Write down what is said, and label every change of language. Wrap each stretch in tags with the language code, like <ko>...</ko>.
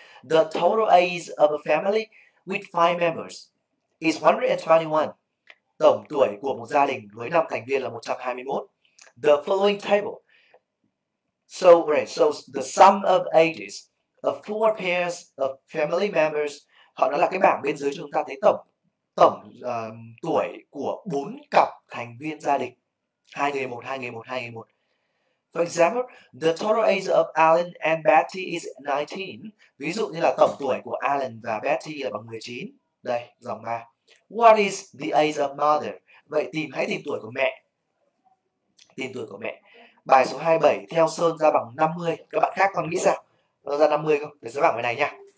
<en>The total age of a family with 5 members is 121.</en> <vi>Tổng tuổi của một gia đình với 5 thành viên là 121.</vi> <en>The following table shows the sum of ages of four pairs of family members.</en> <vi>Họ nói là cái bảng bên dưới chúng ta thấy tổng tuổi của bốn cặp thành viên gia đình. 2 người 1, 2 người 1, 2 người 1.</vi> <en>For example, the total age of Alan and Betty is 19.</en> <vi>Ví dụ như là tổng tuổi của Alan và Betty là bằng 19. Đây, dòng 3.</vi> <en>What is the age of mother?</en> <vi>Vậy hãy tìm tuổi của mẹ. Tìm tuổi của mẹ. Bài số 27 theo Sơn ra bằng 50. Các bạn khác còn nghĩ sao? Nó ra 50 không? Để giới bảng bài này nha.</vi>